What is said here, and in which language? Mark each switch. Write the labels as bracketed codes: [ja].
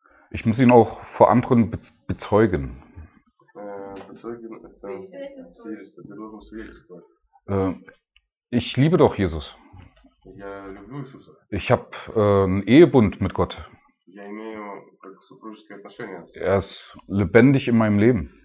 [de] Ich muss ihn auch vor anderen bezeugen. [ru] Bezeugen это свидетельство. Ты должен свидетельствовать. [de] Ich liebe doch Jesus. [ru] Я люблю Иисуса. [de] Ich habe einen Ehebund mit Gott. [ru] Я имею как супружеские отношения. [de] Er ist lebendig in meinem Leben.